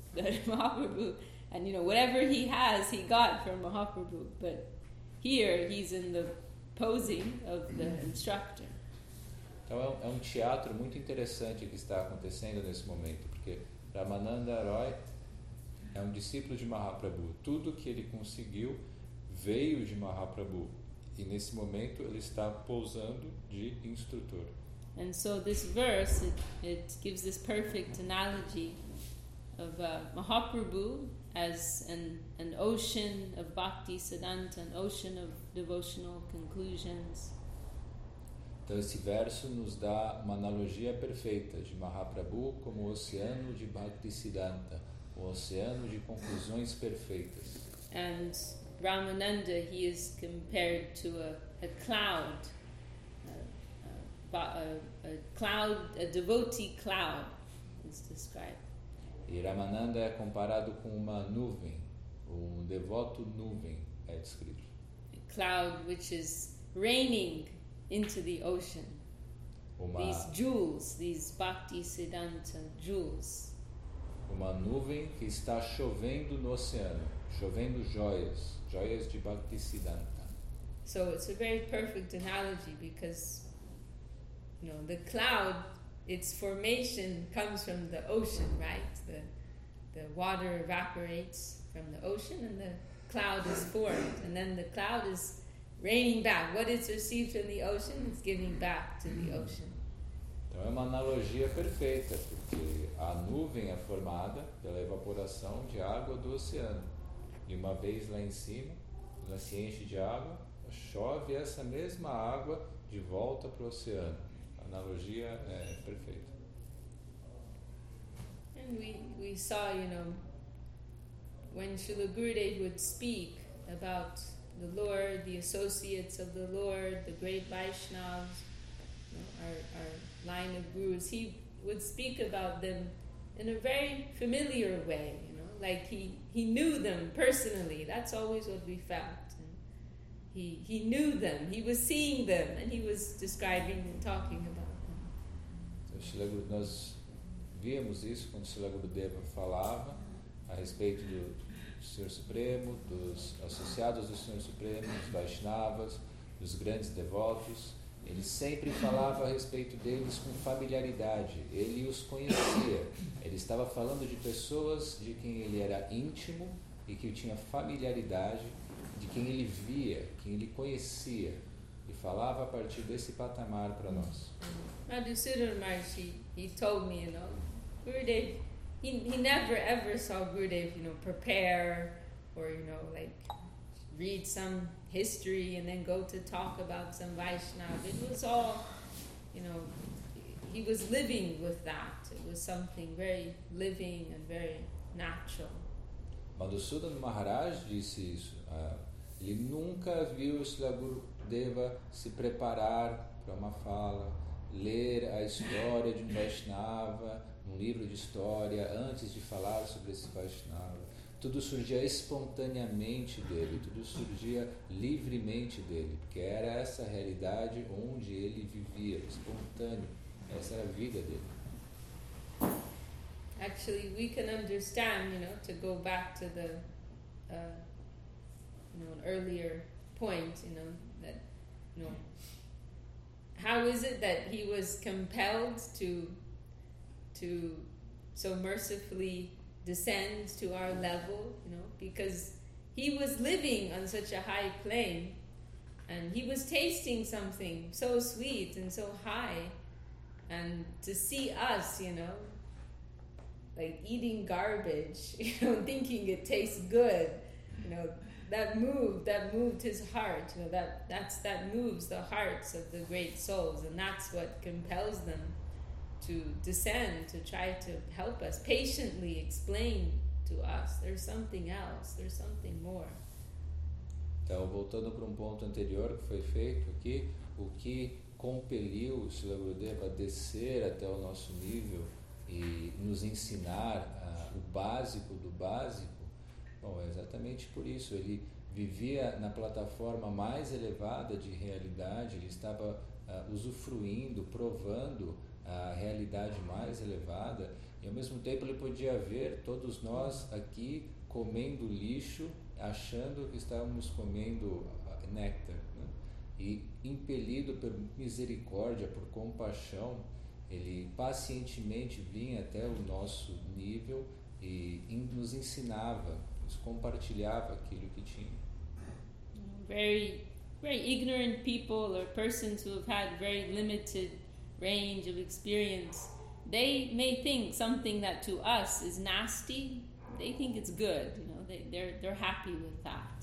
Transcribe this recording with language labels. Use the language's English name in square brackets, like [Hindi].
[English] Mahaprabhu, and you know, whatever he has, he got from Mahaprabhu. But here, he's in the posing of the instructor. [Portuguese] Então é um teatro muito interessante que está acontecendo nesse momento, porque Ramananda Roy é um discípulo de Mahaprabhu. Tudo que ele conseguiu veio de Mahaprabhu e nesse momento ele está pousando de instrutor. [English] And so this verse it gives this perfect analogy of Mahaprabhu as an ocean of bhakti siddhanta, an ocean of devotional conclusions. [Portuguese] Então esse verso nos dá uma analogia perfeita de Mahaprabhu como o oceano de bhakti siddhanta, o oceano de conclusões perfeitas. [English] And Ramananda, he is compared to a cloud. A cloud, a devotee cloud is described. [Portuguese] E Ramananda é comparado com uma nuvem, um devoto nuvem é descrito. [English] A cloud which is raining into the ocean. These jewels, these bhakti siddhanta jewels. [Portuguese] Uma nuvem que está chovendo no oceano, chovendo joias, joias de bhakti siddhanta. [English] So it's a very perfect analogy because you know, the cloud, its formation comes from the ocean, right? The water evaporates from the ocean and the cloud is formed. And then the cloud is raining back. What it's received from the ocean, it's giving back to the ocean. [Portuguese] Então é uma analogia perfeita, porque a nuvem é formada pela evaporação de água do oceano. E uma vez lá em cima, ela se enche de água, chove essa mesma água de volta para o oceano. Analogia é perfeita. [English] And we saw, you know, when Srila Gurudev would speak about the Lord, the associates of the Lord, the great Vaishnavas, you know, our line of gurus, he would speak about them in a very familiar way, you know, like he knew them personally. That's always what we felt. He knew them, he was seeing them, and he was describing and talking about them. [Portuguese] Então, nós víamos isso quando Srila Gurudeva falava a respeito do Senhor Supremo, dos associados do Senhor Supremo, dos Vaishnavas, dos grandes devotos. Ele sempre falava a respeito deles com familiaridade. Ele os conhecia. Ele estava falando de pessoas de quem ele era íntimo e que tinha familiaridade, de quem ele via, quem ele conhecia, e falava a partir desse patamar para nós. [English] Madhusudan Maharshi, he told me, you know, Gurudev, he never ever saw Gurudev, you know, prepare or, you know, like read some history and then go to talk about some Vaishnava. It was all, you know, he was living with that. It was something very living and very natural. [Portuguese] Madhusudan Maharaj disse isso. Ele nunca viu Srila Gurudeva se preparar para uma fala, ler a história de um Vaishnava, um livro de história, antes de falar sobre esse Vaishnava. Tudo surgia espontaneamente dele, tudo surgia livremente dele, porque era essa a realidade onde ele vivia, espontâneo. Essa era a vida dele. [English] Actually, we can understand, you know, to go back to the you know, an earlier point, you know, that, you know, how is it that he was compelled to so mercifully descend to our level, you know, because he was living on such a high plane and he was tasting something so sweet and so high, and to see us, you know, like eating garbage, you know, thinking it tastes good, you know, that moved his heart, you know, that moves the hearts of the great souls, and that's what compels them to descend, to try to help us, patiently explain to us, there's something else, there's something more. [Portuguese] Então, voltando para ponto anterior que foi feito aqui, o que compeliu o Srila Gurudeva a descer até o nosso nível e nos ensinar o básico do básico? Bom, exatamente por isso, ele vivia na plataforma mais elevada de realidade, ele estava usufruindo, provando a realidade mais elevada, e ao mesmo tempo ele podia ver todos nós aqui comendo lixo, achando que estávamos comendo néctar, né? E impelido por misericórdia, por compaixão, ele pacientemente vinha até o nosso nível e nos ensinava, compartilhava aquilo que tinha. [English] Yeah. very, very ignorant people or persons who have had very limited range of experience, they may think something that to us is nasty, they think it's good, you know, they're happy with that.